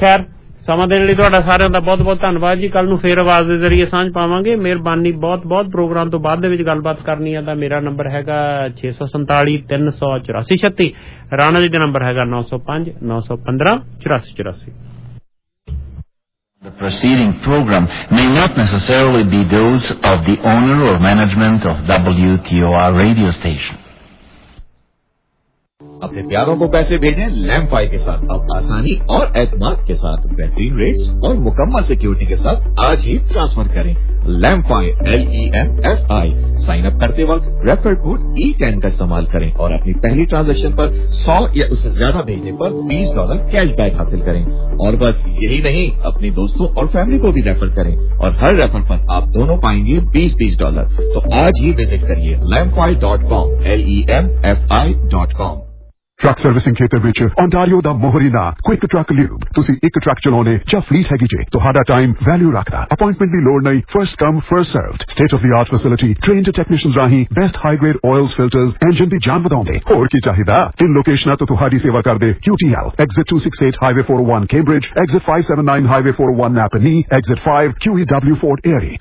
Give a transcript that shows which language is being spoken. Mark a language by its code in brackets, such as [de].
[pa] ਖੈਰ ਸਮਾਂ ਦੇਣ ਲਈ ਤੁਹਾਡਾ ਸਾਰਿਆਂ ਦਾ ਬਹੁਤ ਬਹੁਤ ਧੰਨਵਾਦ ਜੀ। ਕੱਲ ਨੂੰ ਫੇਰ ਆਵਾਜ਼ ਦੇ ਜ਼ਰੀਏ ਸਾਂਝ ਪਾਵਾਂਗੇ, ਮਿਹਰਬਾਨੀ ਬਹੁਤ ਬਹੁਤ। ਪ੍ਰੋਗਰਾਮ ਤੋਂ ਬਾਅਦ ਦੇ ਵਿੱਚ ਗੱਲਬਾਤ ਕਰਨੀ ਆ ਤਾਂ ਮੇਰਾ ਨੰਬਰ ਹੈਗਾ 6473384636, ਰਾਣਾ ਜੀ ਦਾ ਨੰਬਰ ਹੈਗਾ 905-915-8484। [en] The preceding program may not necessarily be those of the owner or management of WTOR radio station. [hi] अपने प्यारों को पैसे भेजें लैम्पफाई के साथ, अब आसानी और एतमाद के साथ, बेहतरीन रेट्स और मुकम्मल सिक्योरिटी के साथ आज ही ट्रांसफर करें। लैम्पफाई LEMFI साइन अप करते वक्त रेफर कोड E10 का इस्तेमाल करें और अपनी पहली ट्रांजैक्शन पर 100 या उससे ज्यादा भेजने पर $20 कैशबैक हासिल करें। और बस यही नहीं, अपने दोस्तों और फैमिली को भी रेफर करें और हर रेफर पर आप दोनों पाएंगे $20-$20। तो आज ही विजिट करिए LEMFI.com LEMFI.com। [pa] ਟਰੱਕ ਸਰਵਿਸਿੰਗ ਖੇਤਰ ਵਿੱਚ ਓਂਟਾਰੀਓ ਦਾ ਮੋਹਰੀ ਨਾ, ਕੁਇਕ ਟਰੱਕ ਲਿਊਬ। ਤੁਸੀਂ ਇੱਕ ਟਰੱਕ ਚਲਾਉਣੇ ਜਾਂ ਫਲੀਟ ਹੈਗੀ ਜੇ, ਤੁਹਾਡਾ ਟਾਈਮ ਵੈਲਿਊ ਰੱਖਦਾ। ਅਪਾਇੰਟਮੈਂਟ ਦੀ ਲੋੜ ਨਹੀਂ, first come first served. State of ਦੀ art facility, trained technicians ਰਾਹੀਂ best high grade IELTS filters, engine ਦੀ ਜਾਨ ਵਧਾਉਂਦੇ। ਹੋਰ ਕੀ ਚਾਹੀਦਾ? ਤਿੰਨ ਲੋਕੇਸ਼ਨਾਂ ਤੋਂ ਤੁਹਾਡੀ ਸੇਵਾ ਕਰਦੇ QTL, exit 268 highway 401 ਕੇਂਬ੍ਰਿਜ, exit 579 highway 401 ਨਾਪਨੀ, exit 5 QEW fort ਏਰੀ।